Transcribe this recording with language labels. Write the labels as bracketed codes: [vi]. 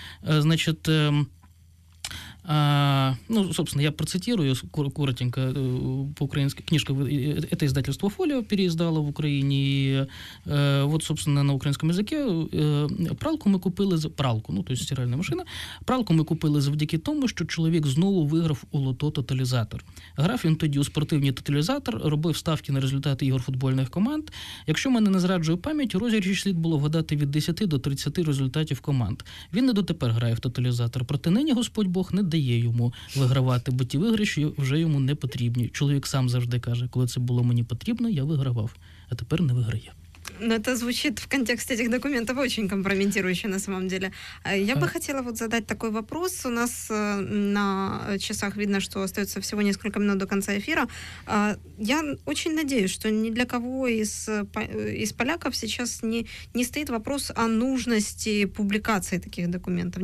[ru] Значит, собственно, я процитирую коротенько по-украински. Книжка, это издательство «Фолио» переиздало в Украине. И, вот, собственно, на украинском языке «Пралку мы купили за...» «Пралку», ну, то есть стиральная машина. «Пралку мы купили [uk] завдяки тому, що чоловік знову виграв у лото тоталізатор. Грав він тоді у спортивний тоталізатор, робив ставки на результати ігор футбольних команд. Якщо мене не зраджує пам'ять, у розіграші слід було вгадати від 10 до 30 результатів команд. Він не дотепер грає в тоталізатор. Проте нині Господь Бог не дає йому вигравати, бо ті виграші вже йому не потрібні. Чоловік сам завжди каже, коли це було мені потрібно, я вигравав, а тепер не виграє. [ru] Ну, это звучит в контексте этих документов очень компрометирующе, на самом деле. Я бы хотела вот задать такой вопрос. У нас на часах видно, что остается всего несколько минут до конца эфира. Я очень надеюсь, что ни для кого из поляков сейчас не стоит вопрос о нужности публикации таких документов.